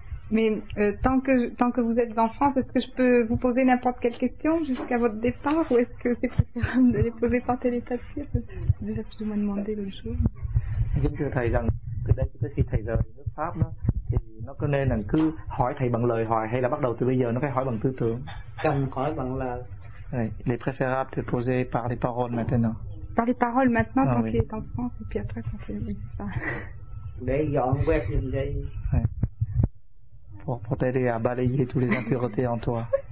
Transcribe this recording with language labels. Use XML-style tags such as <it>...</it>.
<fr>Mais tant que vous êtes en France, est-ce que je peux vous poser n'importe quelle question jusqu'à votre départ, ou est-ce que c'est préférable de les poser par télépathie? Déjà, je m'en demandais l'autre jour.</fr> <vi>Nhưng thưa thầy rằng, từ đây tới khi thầy rời nước Pháp đó, thì nó có nên là cứ hỏi thầy bằng lời hỏi hay là bắt đầu từ bây giờ nó phải hỏi bằng tư tưởng? Cần hỏi bằng lời.</vi> <fr>Il est préférable de poser par les paroles maintenant. Par les paroles maintenant, tant qu'il est en France, et puis après quand il est ça.</fr> <vi>Để dọn quét những cái.</vi> <fr>Pour t'aider à balayer toutes les impuretés en toi.</fr>